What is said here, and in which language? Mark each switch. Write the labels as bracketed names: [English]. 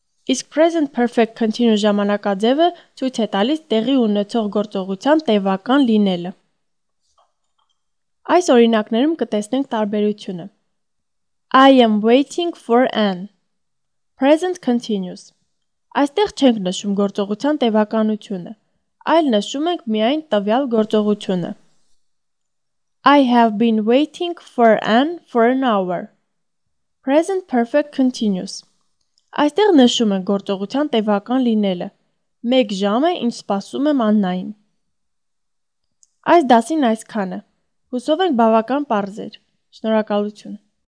[Armenian] Իսկ present perfect continuous ժամանակաձևը ցույց է տալիս տեղի ունեցող գործողության տևական լինելը։ Այս օրինակներում կտեսնենք տարբերությունը։ [English] I am waiting for an. [Armenian] Present continuous. Այստեղ չենք նշում գործողության տևականությունը, այլ նշում ենք միայն տվյալ գործողությունը։ [English] I have been waiting for an for an hour. Present perfect continuous. [Armenian] Այստեղ նշում ենք գործողության տևական լինելը։ Մեկ ժամ է, ինչ սպասում եմ Աննային։ Այս դասին այսքանը։ Հուսով ենք բավական պարզ էր։ Շնորհակալություն։